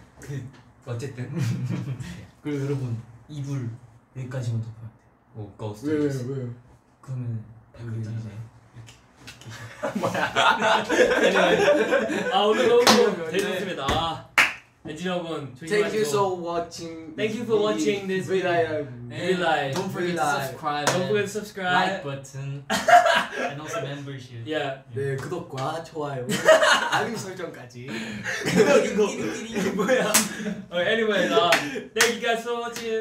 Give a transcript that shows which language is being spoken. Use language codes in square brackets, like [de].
[ko] 그 어쨌든 그리고 여러분 이불 여기까지만 덮어야 돼. 오 고스트 왜요 왜요 그러면 여기 이제 이렇게 뭐야 아 오늘 너무 재밌었습니다. 엔진 여러분 [en] Thank you so watching. Thank you for watching this vlive. Don't forget to subscribe. Don't forget to subscribe. Like button. And also membership. Yeah. [ko] 네 구독과 좋아요 알림 설정까지. 이거 뭐야? [en] Anyway, thank you guys so much.